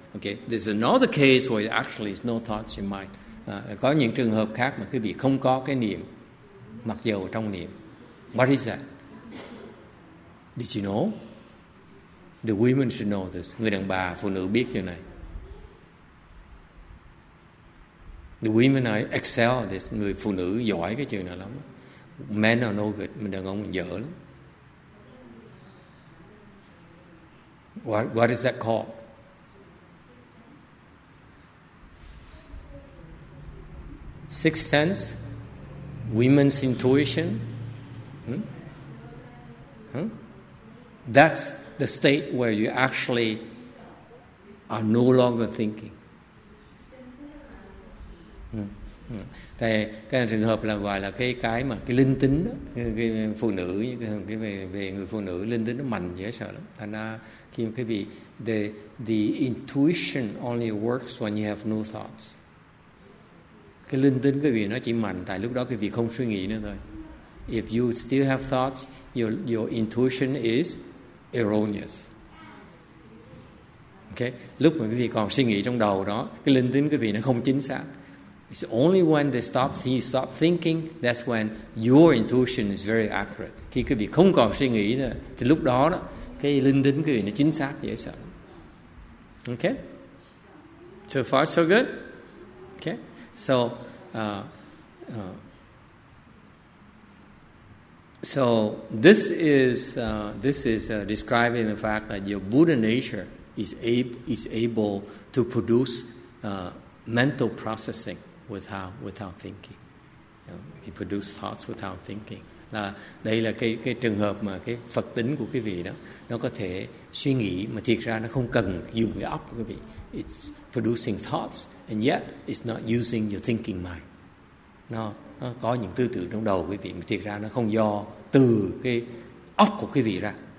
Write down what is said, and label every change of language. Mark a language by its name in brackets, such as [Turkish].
[English] Okay, there's another case where actually there's no thoughts in your mind. [Vietnamese] Có những trường hợp khác mà quý vị không có cái niệm, mặc dù trong niệm. [English] What is that? Did you know? The women should know this. [Vietnamese] Người đàn bà, phụ nữ biết điều này. [English] The women are excel this. [Vietnamese] Người phụ nữ giỏi cái chuyện này lắm. [English] Men are no good. [Vietnamese] Mình đàn ông dở lắm. [English] What is that called? Sixth sense? Women's intuition? That's the state where you actually are no longer thinking. [Vietnamese] Thì cái trường hợp là gọi là cái mà cái linh tính đó, cái phụ nữ, cái về người phụ nữ linh tính nó mạnh dễ sợ lắm. Thành ra khi quý vị [English] the intuition only works when you have no thoughts. [Vietnamese] Cái linh tính quý vị nó chỉ mạnh tại lúc đó quý vị không suy nghĩ nữa thôi. [English] If you still have thoughts, your intuition is erroneous. [Vietnamese] Okay, lúc mà quý vị còn suy nghĩ trong đầu đó, cái linh tính quý vị nó không chính xác. [English] It's only when they stop, you stop thinking, that's when your intuition is very accurate. [Vietnamese] Khi quý vị không còn suy nghĩ nữa, thì lúc đó đó, cái linh tính quý vị nó chính xác dễ sợ. [English] Okay, so far so good. Okay, so so this is describing the fact that your Buddha nature is able to produce mental processing without thinking. You know, he produce thoughts without thinking. [Vietnamese] Là đây là cái trường hợp mà cái Phật tính của quý vị đó nó có thể suy nghĩ mà thiệt ra nó không cần dùng cái óc của quý vị. [English] It's producing thoughts and yet it's not using your thinking mind. [Vietnamese] Nó có những tư tưởng trong đầu quý vị mà thiệt ra nó không do từ cái óc của quý vị ra.